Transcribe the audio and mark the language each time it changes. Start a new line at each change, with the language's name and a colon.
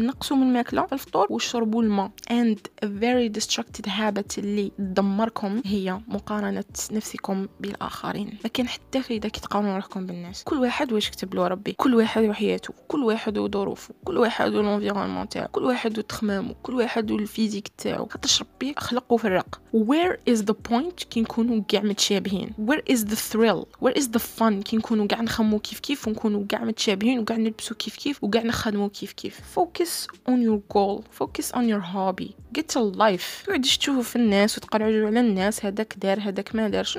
Arabic: نقصوا من الماكله في الفطور وشربوا الماء.
English: And a very destructive habit
Arabic: اللي تدمركم هي مقارنة نفسكم بالآخرين، ما كان حتى فايدة كي تقارنوا روحكم بالناس، كل واحد واش كتب له ربي، كل واحد وحياته، كل واحد وظروفه، كل واحد والانفيرونمون تاعو، كل واحد وتخمامه، كل واحد والفيزيك تاعو، خاطرش ربي خلقو فرق.
English: Where is the point
Arabic: كي نكونوا كاع متشابهين؟
English: Where is the thrill? Where is the fun
Arabic: كي نكونوا كاع نخمو كيف كيف ونكونوا كاع متشابهين وكاع نلبسو كيف كيف وكاع نخدمو كيف كيف؟
English: Focus on your goal, focus on your hobby. Get a life.
Arabic: تقعد تشوفوا في الناس وتقرعوا على الناس هذاك دار هذاك ما دارش.